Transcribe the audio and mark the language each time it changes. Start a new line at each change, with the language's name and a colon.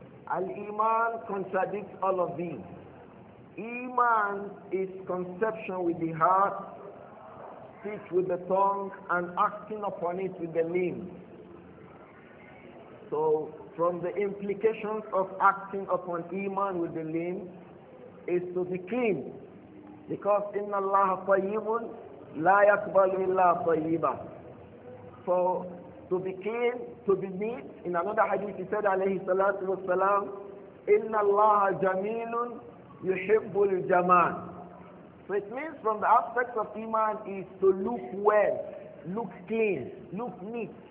English: Al-Iman contradicts all of these. Iman is conception with the heart, speech with the tongue, and acting upon it with the limbs. So, from the implications of acting upon Iman with the limb is to be clean. Because
Arabic: إِنَّ اللَّهَ طَيِّبٌ لَا يَكْبَلُ إِلَّا طَيِّبًا.
English: So, to be clean, to be neat, in another hadith he said
Arabic: عليه الصلاة والسلام, إِنَّ اللَّهَ جَمِيلٌ يُحِبُّ الْجَمَالِ.
English: So it means from the aspect of Iman is to look well, look clean, look neat.